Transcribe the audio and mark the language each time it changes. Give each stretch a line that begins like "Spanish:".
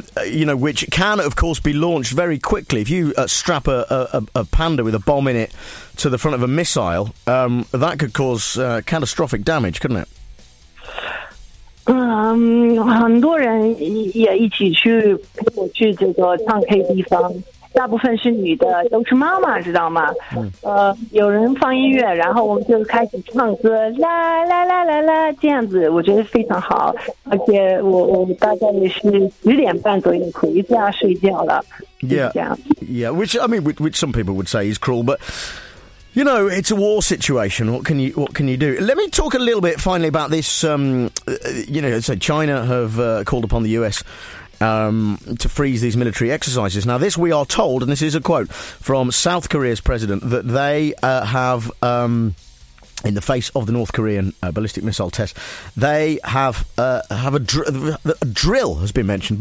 English: You know, which can, of course, be launched very quickly. If you strap a panda with a bomb in it to the front of a missile, that could cause catastrophic damage, couldn't it?
Chinese: 很多人也一起去这个唱 K 地方。大部分是女的，都是妈妈，知道吗？有人放音乐，然后我们就开始唱歌，啦啦啦啦啦，这样子我觉得非常好。而且我大概也是10点半左右回家睡觉了。
English: Which some people would say is cruel, but you know it's a war situation. What can you do? Let me talk a little bit finally about this. So China have called upon the US. To freeze these military exercises. Now, this we are told, and this is a quote from South Korea's president, that they have, in the face of the North Korean ballistic missile test, they have a drill has been mentioned.